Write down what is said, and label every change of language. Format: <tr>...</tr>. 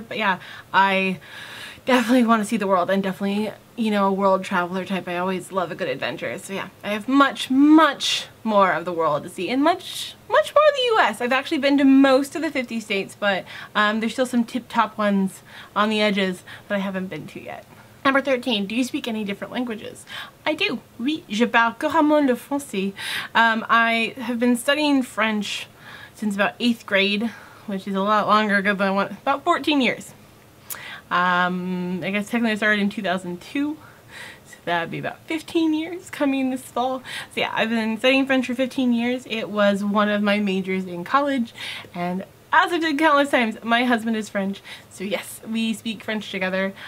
<en>But yeah, I definitely want to see the world and definitely, you know, a world traveler type. I always love a good adventure. So yeah, I have much, much more of the world to see and much, much more of the US. I've actually been to most of the 50 states, but there's still some tip-top ones on the edges that I haven't been to yet. Number 13, do you speak any different languages? I do.</en> <fr>Oui, je parle couramment le français.</fr> <en>I have been studying French since about 8th grade, which is a lot longer ago than I want, about 14 years. I guess technically I started in 2002, so that'd be about 15 years coming this fall. So yeah, I've been studying French for 15 years. It was one of my majors in college, and as I've said countless times, my husband is French, so yes, we speak French together.</en>